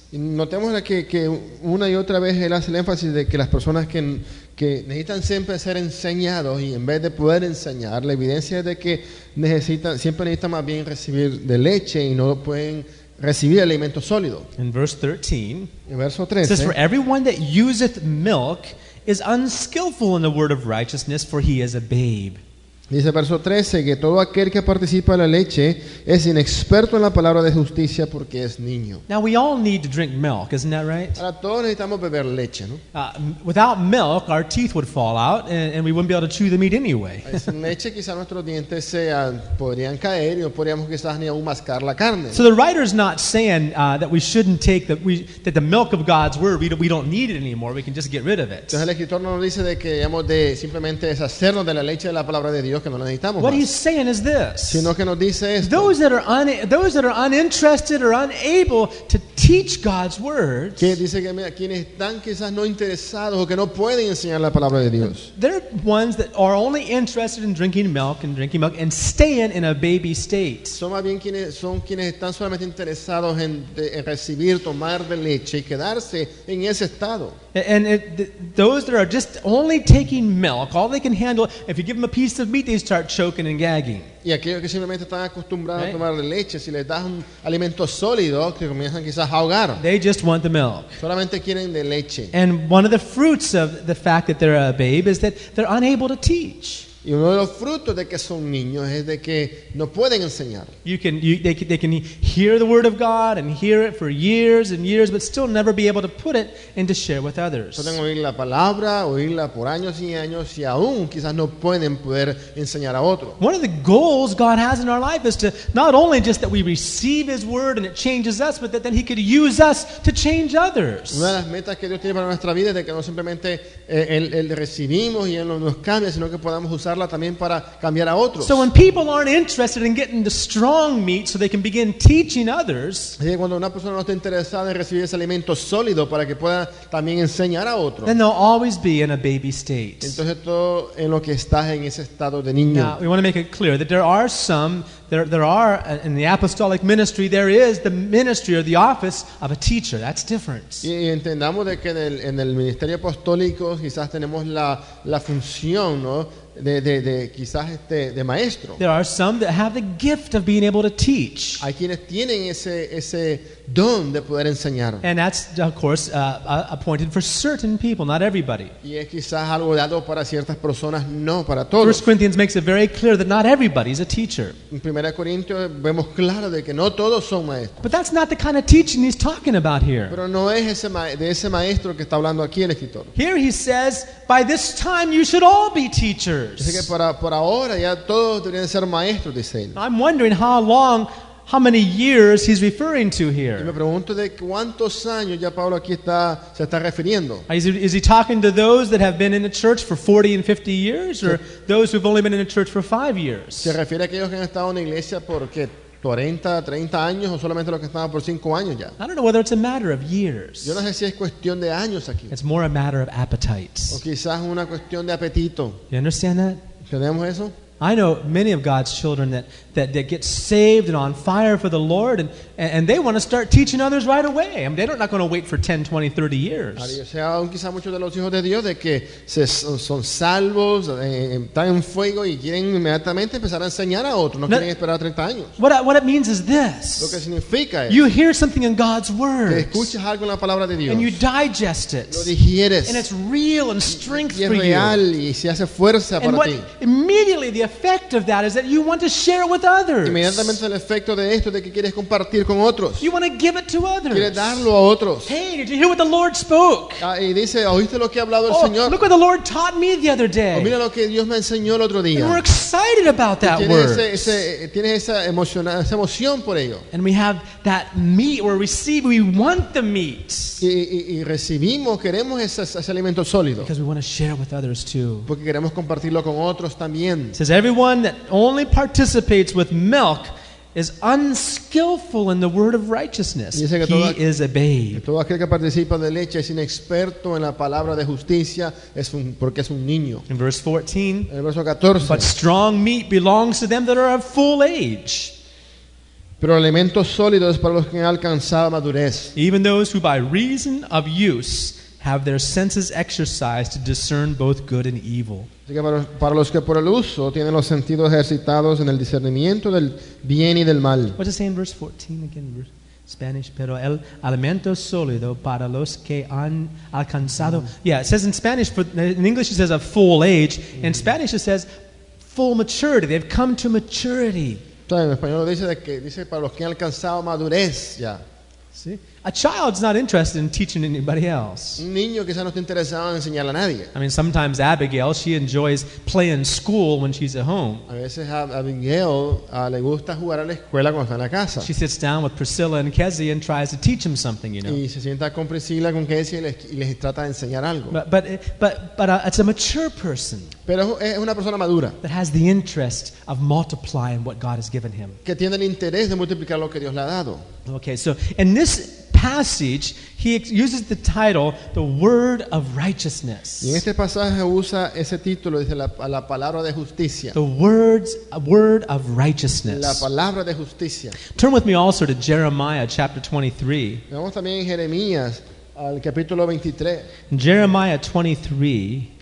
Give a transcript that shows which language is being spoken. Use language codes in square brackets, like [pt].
[es] Notemos que una y otra vez él hace el énfasis de que las personas que necesitan siempre ser enseñados y en vez de poder enseñar, la evidencia es de que necesitan, siempre necesitan más bien recibir de leche y no pueden recibir alimento sólido. En verso 13, [en] it says, for everyone that useth milk is unskillful in the word of righteousness, for he is a babe. [es] Dice verso 13 que todo aquel que participa de la leche es inexperto en la palabra de justicia porque es niño. [en] Now we all need to drink milk, isn't that right? [es] Ahora todos necesitamos beber leche, ¿no? [en] Without milk, our teeth would fall out and we wouldn't be able to chew the meat anyway. [es] Sin leche quizás nuestros dientes podrían caer y no podríamos quizás ni aún mascar la carne. [en] So the writer is not saying that we shouldn't take that the milk of God's word, we don't need it anymore, we can just get rid of it. [es] Entonces el escritor no nos dice de que hemos de simplemente deshacernos de la leche de la palabra de Dios. Que no necesitamos [en] what he's saying is this. [es] Sino que nos dice esto. [en] Those that are uninterested or unable to teach God's words. [es] Que dice que mira, quienes están quizás no interesados o que no pueden enseñar la palabra de Dios. [en] They're ones that are only interested in drinking milk and staying in a baby state. [es] Son más bien quienes están solamente interesados en recibir, tomar de leche y quedarse en ese estado. [en] And those that are just only taking milk, all they can handle, if you give them a piece of meat, they start choking and gagging. [es] Y aquellos que simplemente están acostumbrados a tomar leche, si les das un alimento sólido, que comienzan quizás a ahogar. [en] They just want the milk. [es] Solamente quieren de leche. [en] And one of the fruits of the fact that they're a babe is that they're unable to teach. [es] Y uno de los frutos de que son niños es de que no pueden enseñar. [en] They can hear the word of God and hear it for years and years, but still never be able to put it and to share with others. [es] Pueden oír la palabra, oírla por años y años, y aún quizás no pueden poder enseñar a otro. [en] One of the goals God has in our life is to not only just that we receive His word and it changes us, but that then He could use us to change others. [es] Una de las metas que Dios tiene para nuestra vida es de que no simplemente él recibimos y él nos cambia, sino que podamos usar también para cambiar a otros. [en] So when people aren't interested in getting the strong meat so they can begin teaching others, [es] cuando una persona no está interesada en recibir ese alimento sólido para que pueda también enseñar a otros, [en] then they'll always be in a baby state. [es] Entonces todo en lo que estás en ese estado de niño. [en] Now, we want to make it clear that there are some, there are in the apostolic ministry, there is the ministry or the office of a teacher. That's different. [es] Y entendamos de que en el ministerio apostólico quizás tenemos la función, ¿no? De maestro. [en] There are some that have the gift of being able to teach. [es] Hay quienes tienen ese don de poder enseñar. [en] And that's, of course, appointed for certain people, not everybody. [es] Y es quizás algo dado para ciertas personas, no para todos. [en] 1 Corinthians makes it very clear that not everybody is a teacher. [es] En 1 Corintios vemos claro de que no todos son maestros. [en] But that's not the kind of teaching he's talking about here. [es] Pero no es ese maestro que está hablando aquí el escritor. [en] Here he says, by this time you should all be teachers. [es] Dice que por ahora ya todos deberían ser maestros, dice él. [en] I'm wondering how many years he's referring to here. [es] Y me pregunto de cuántos años ya Pablo aquí se está refiriendo. [en] Is he talking to those that have been in the church for 40 and 50 years, or those who've only been in the church for 5 years? [es] ¿Se refiere a aquellos que han estado en la iglesia por qué? 40, 30 años o solamente los que estaban por 5 años ya. [en] I don't know whether it's a matter of years. [es] Yo no sé si es cuestión de años aquí. [en] It's more a matter of appetites. [es] O quizás una cuestión de apetito. [en] You understand that? [es] ¿Entendemos eso? [en] I know many of God's children that get saved and on fire for the Lord and they want to start teaching others right away. I mean, they're not going to wait for 10, 20, 30 years. [es] Quizás muchos de los hijos de Dios de que son salvos, están en fuego y quieren inmediatamente empezar a enseñar a otros. No quieren esperar 30 años. [en] What it means is this. [es] Lo que significa es [en] you hear something in God's Word. [es] Que escuchas algo en la palabra de Dios. [en] And you digest it. [es] Lo digieres. [en] And it's real and strength [es] y es real, [en] for you. [es] Y se hace fuerza [en] and [es] para [en] what [es] ti. [en] Immediately the effect of that is that you want to share it with others. [es] Inmediatamente el efecto de esto de que quieres compartir con otros. [en] You want to give it to others. [es] Quieres darlo a otros. [en] Hey, did you hear what the Lord spoke? [es] Y dice, ¿oíste lo que ha hablado el Señor? [en] Look what the Lord taught me the other day. [es] Mira lo que Dios me enseñó el otro día. [en] And we're excited about that word. [es] Tienes esa emoción por ello. [en] And we have that meat. We want the meat. [es] Y recibimos, queremos ese alimento sólido. [en] Because we want to share it with others too. [es] Porque queremos compartirlo con otros también. [en] It says everyone that only participates with milk is unskillful in the word of righteousness. He is a babe. [es] Todo aquel que participa de leche es inexperto en la palabra de justicia, porque es un niño. [en] In verse 14. [es] En el verso 14. [en] But strong meat belongs to them that are of full age. [es] Pero el alimento sólido es para los que han alcanzado madurez. [en] Even those who by reason of use have their senses exercised to discern both good and evil. [es] Para los que por el uso tienen los sentidos ejercitados en el discernimiento del bien y del mal. [en] What does it say in verse 14 again? Spanish. [es] Pero el alimento sólido para los que han alcanzado. [en] Yeah, it says in Spanish. In English, it says a full age. In Spanish, it says full maturity. They've come to maturity. [es] En español dice para los que han alcanzado madurez ya. [en] See? A child's not interested in teaching anybody else. [es] Un niño quizá no está interesado en enseñarle a nadie. [en] I mean, sometimes Abigail, she enjoys playing school when she's at home. [es] A veces Abigail le gusta jugar a la escuela cuando está en la casa. [en] She sits down with Priscilla and Kezi and tries to teach them something, you know. [es] Y se sienta con Priscilla, con Kezi y les trata de enseñar algo. [en] But it's a mature person. [es] Pero es una persona madura. [en] That has the interest of multiplying what God has given him. [es] Que tiene el interés de multiplicar lo que Dios le ha dado. [en] Okay, so in this passage, he uses the title, the word of righteousness. [es] Y en este pasaje usa ese título, dice la palabra de justicia. [en] The words, a word of righteousness. [es] La palabra de justicia. [en] Turn with me also to Jeremiah chapter 23. [es] Vamos también en Jeremías, al capítulo 23. [en] Jeremiah 23.